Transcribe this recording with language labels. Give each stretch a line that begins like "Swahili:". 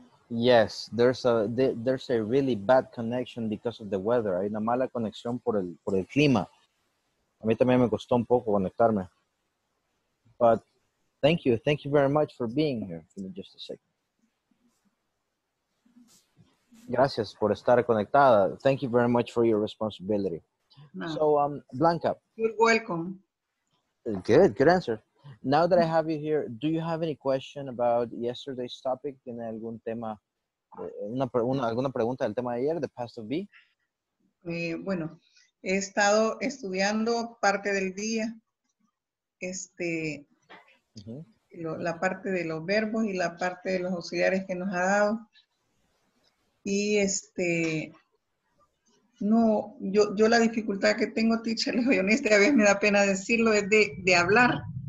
English: Yes, there's a really bad connection because of the weather.
Spanish: Hay una mala conexión por el clima. A mí también me costó un poco conectarme.
English: But thank you. Thank you very much for being here. Give me just a second.
Spanish: Gracias por estar conectada.
English: Thank you very much for your responsibility. No. So, Blanca. You're welcome. Good, good answer. Now that I have you here, do you have any question about yesterday's topic?
Spanish: ¿Tiene algún tema, alguna pregunta del tema de ayer,
English: the past of be?
Spanish: Bueno, he estado estudiando parte del día, la parte de los verbos y la parte de los auxiliares que nos ha dado. Y yo la dificultad que tengo, teacher, le soy honesta, a veces me da pena decirlo, es de hablar.